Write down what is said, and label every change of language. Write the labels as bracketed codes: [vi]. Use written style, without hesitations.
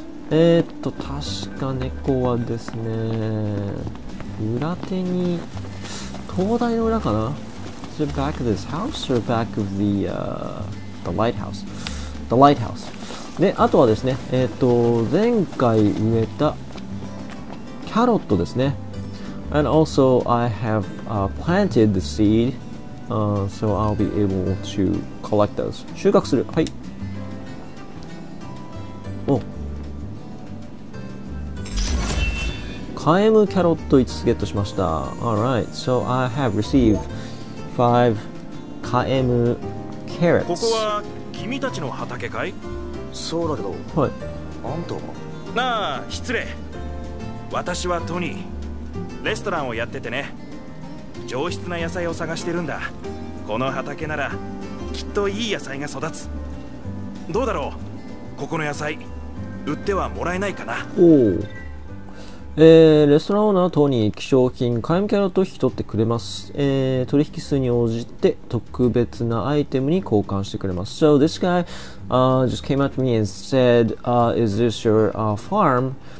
[ja] 確か猫はですね、裏手に、灯台の裏かな。 [en] Is it back of this house or back of the, the lighthouse? The lighthouse. [ja] で、あとはですね、前回植えたキャロットですね。 [en] And also I have planted the seed, so I'll be able to collect those. [ja] 収穫する。はい。カエムキャロット5つゲットしました。 [en] Alright, so I have received 5 カエムキャロット。 [ja] ここは君たちの畑かい？そうだけど。はい。あんたは？なあ、失礼。私はトニー。レストランをやっててね。上質な野菜を探してるんだ。この畑ならきっといい野菜が育つ。どうだろう？ここの野菜、売ってはもらえないかな？おお。レストランオーナー等に希少品カイムキャロットを引き取ってくれます。取引数に応じて特別なアイテムに交換してくれます。 [en] So this guy just came up to me and said is this your farm?